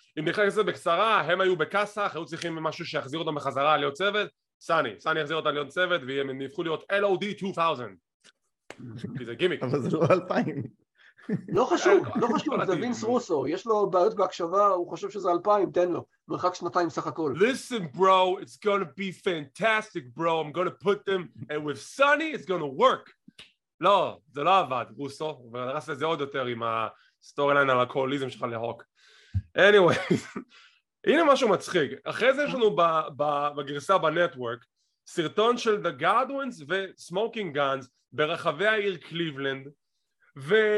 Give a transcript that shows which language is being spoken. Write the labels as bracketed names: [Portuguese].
[Hebrew] אם נכנס לזה בקצרה, הם היו בקאסה, היו צריכים משהו שיחזיר אותם בחזרה להיות צוות, סאני יחזיר אותם להיות צוות, והם נהפכו להיות LOD 2000. כי זה גימיק. אבל זה לא 2000. לא חשוב, לא חשוב, זה וינס רוסו, יש לו בעיות בהקשבה, הוא חושב שזה 2000, תן לו. מרחק שנתיים סך הכל. [English] Listen bro, it's gonna be fantastic bro, I'm gonna put them, and with Sunny it's gonna work. [Hebrew] לא, זה לא עבד, רוסו, ורס לזה עוד יותר עם הסטורי ליין על הקוליזם שלך להוק. anyway, הנה משהו מצחיק. אחרי זה יש לנו בגרסה בנטוורק, סרטון של The Godwins ו-Smoking Guns ברחבי העיר קליבלנד, ו...